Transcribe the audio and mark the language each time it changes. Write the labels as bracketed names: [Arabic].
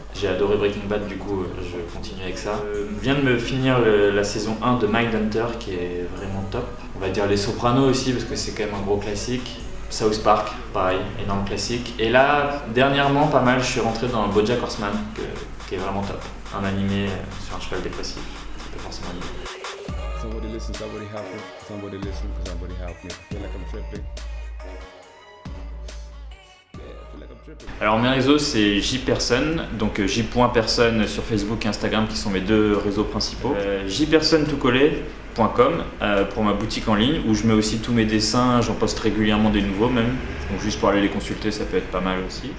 [French] J'ai adoré Breaking Bad, du coup, je continue avec ça. Je viens de me finir la saison 1 de Mindhunter, qui est vraiment top. On va dire Les Sopranos aussi, parce que c'est quand même un gros classique. South Park, pareil, énorme classique. Et là, dernièrement, pas mal, je suis rentré dans BoJack Horseman, qui est vraiment top. Un animé sur un cheval dépressif, c'est pas forcément animé. [English] Somebody listen, somebody help me. Somebody listen, somebody help me. I feel like I'm tripping. [French] Alors mes réseaux, c'est JPerson, donc J.Person sur Facebook et Instagram, qui sont mes deux réseaux principaux. JPersonToucollet.com pour ma boutique en ligne, où je mets aussi tous mes dessins, j'en poste régulièrement des nouveaux même, donc juste pour aller les consulter, ça peut être pas mal aussi.